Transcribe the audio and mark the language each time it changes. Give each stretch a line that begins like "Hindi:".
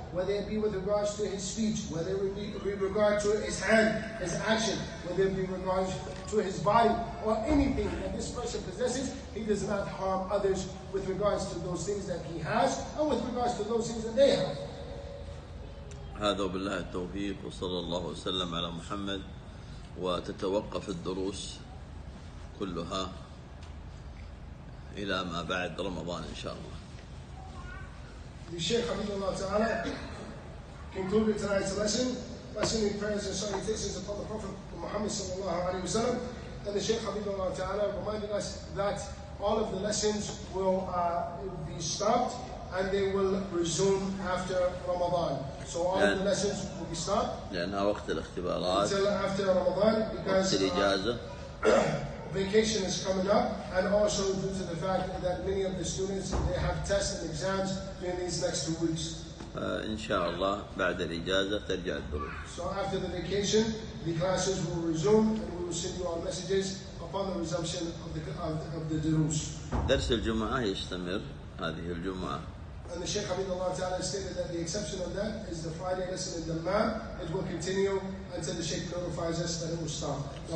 English: whether it be with regards to his speech, whether it be with regard to his hand, his action, whether it be with regards to his body, or anything that this person possesses, he does not harm others with regards to those things that he has, and with regards to those things that they have.
Arabic: هذا وبالله التوفيق وصلى الله وسلم على محمد وتتوقف الدروس كلها إلى ما بعد رمضان إن شاء الله.
English: The Sheikh
Arabic: حبيب الله تعالى
English: concluded tonight's lesson by sending prayers and salutations upon the Prophet Muhammad
Arabic: صلى الله عليه وسلم.
English: And the Sheikh
Arabic: حبيب الله تعالى
English: reminded us that all of the lessons will be stopped and they will resume after Ramadan. So all of the lessons will be stopped.
Arabic: لأنها وقت الاختبارات.
English: Until after Ramadan, because vacation is coming up, and also due to the fact that many of the students they have tests and exams during these next 2 weeks.
Arabic: إن شاء الله بعد الإجازة ترجع الدروس.
English: So after the vacation, the classes will resume, and we will send you our messages upon the resumption of the دروس.
Arabic: درس الجمعة يستمر هذه الجمعة.
English: And the Sheikh Hamid Allah Ta'ala stated that the exception of that is the Friday lesson in Dammam. It will continue until the Sheikh notifies us that it will stop.